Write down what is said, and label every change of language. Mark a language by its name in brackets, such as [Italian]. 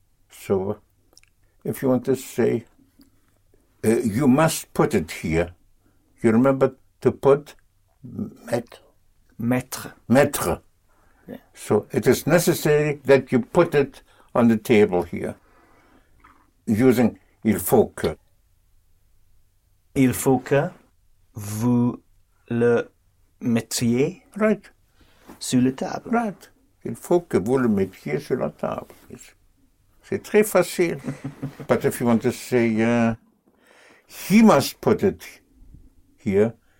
[English] So, if you want to say, you must put it here. You remember to put? [French] Mettre. Mettre. [English] Yeah. So, it is necessary that you put it on the table here. Using il faut que. [French] Il faut que vous le mettiez. [English] Right. [French] Sur la table. [English] Right. [French] Il faut que vous le mettiez sur la table. C'est très facile. [English] But if you want to say, he must put it here,